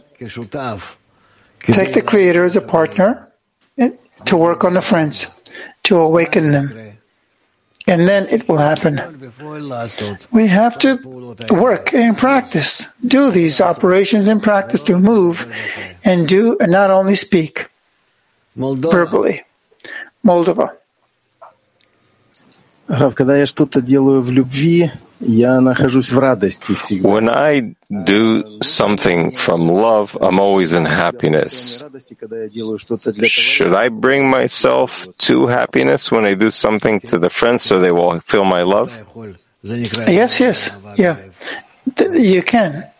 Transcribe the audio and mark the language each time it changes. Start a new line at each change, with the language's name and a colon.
English: Take the Creator as a partner to work on the friends, to awaken them. And then it will happen. We have to work and practice, do these operations in practice, to move and do, and not only speak. Moldova. Verbally. Moldova.
Russian: Рав, когда я что-то делаю в любви, я нахожусь в радости всегда.
English: When I do something from love, I'm always in happiness. Should I bring myself to happiness when I do something to the friends so they will feel my love? Yes, yes, yeah. You can.